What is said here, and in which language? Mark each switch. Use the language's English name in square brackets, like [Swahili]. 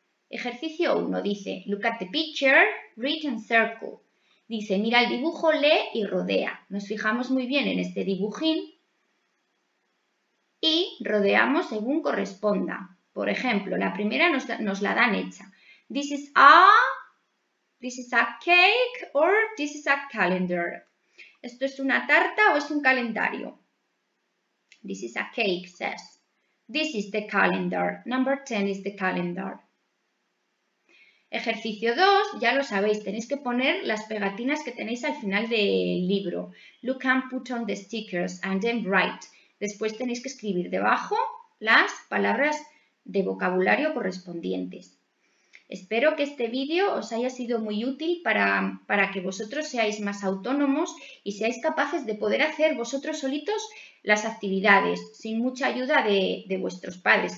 [Spanish] Ejercicio 1, dice, [English] look at the picture, read and circle. [Spanish] Dice, mira el dibujo, lee y rodea. Nos fijamos muy bien en este dibujín y rodeamos según corresponda. Por ejemplo, la primera nos la dan hecha. [English] This is a cake or this is a calendar. [Spanish] Esto es una tarta o es un calendario. [English] This is a cake, says. This is the calendar. Number 10 is the calendar. [Spanish] Ejercicio 2, ya lo sabéis, tenéis que poner las pegatinas que tenéis al final del libro. [English] Look and put on the stickers and then write. [Spanish] Después tenéis que escribir debajo las palabras de vocabulario correspondientes. Espero que este vídeo os haya sido muy útil para que vosotros seáis más autónomos y seáis capaces de poder hacer vosotros solitos las actividades sin mucha ayuda de vuestros padres.